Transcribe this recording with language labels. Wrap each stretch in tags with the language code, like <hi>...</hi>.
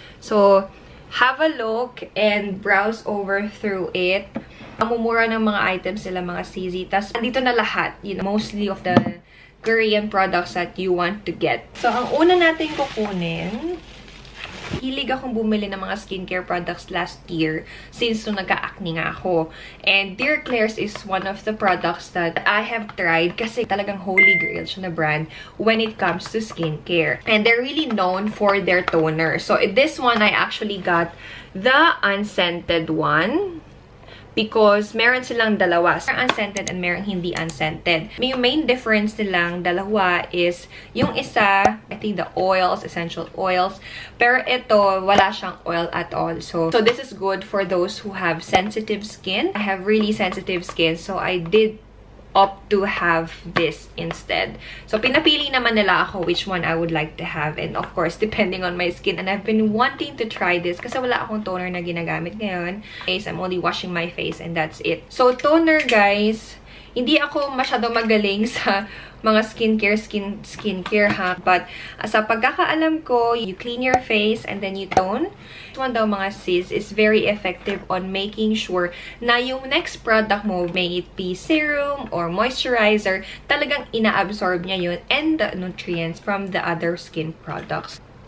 <en>So, have a look and browse over through it.</en> <tl>Mamumura ng mga items sila, mga sis. Tapos, andito na lahat.</tl> <en>You know, mostly of the Korean products that you want to get.</en> <tl>So, ang una natin kukunin, hilig akong bumili ng mga skincare products</tl> <en>last year since</en> <tl>nung nag-acne nga ako.</tl> <en>And Dear Klairs is one of the products that I have tried</en> <tl>kasi talagang holy grail siya na brand</tl> <en>when it comes to skincare. And they're really known for their toner. So, this one, I actually got the unscented one.</en> <tl>Because meron silang dalawa. Meron unscented and meron hindi unscented.</tl> <en>Yung main difference nilang dalawa is yung isa, I think the oils, essential oils.</en> <tl>Pero ito, wala siyang oil at all.</tl> <en>So this is good for those who have sensitive skin. I have really sensitive skin. So I did opt to have this instead.</en> <tl>So pinapili naman nila ako</tl> <en>which one I would like to have. And of course, depending on my skin. And I've been wanting to try this</en> <tl>kasi wala akong toner na ginagamit ngayon.</tl> <en>I'm only washing my face and that's it. So toner guys,</en> <tl>hindi ako masyado magaling sa mga skincare ha.</tl> <en>But sa pagkakaalam ko, you clean your face and then you tone. This one daw mga sis is very effective on making sure na yung next product mo, may it be serum or moisturizer,</en> <tl>talagang ina-absorb niya yun</tl> <en>and the nutrients from the other skin products.</en>